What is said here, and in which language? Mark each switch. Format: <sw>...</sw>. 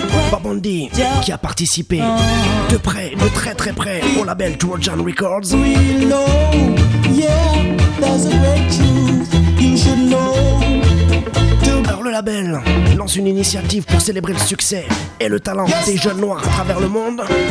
<fr>Babandi qui a participé de près, de très très près au label Trojan Records.</fr> <en>We know, yeah, there's a great truth you should know.</en> <fr>Alors le label lance une initiative pour célébrer le succès et le talent des jeunes noirs à travers le monde.</fr>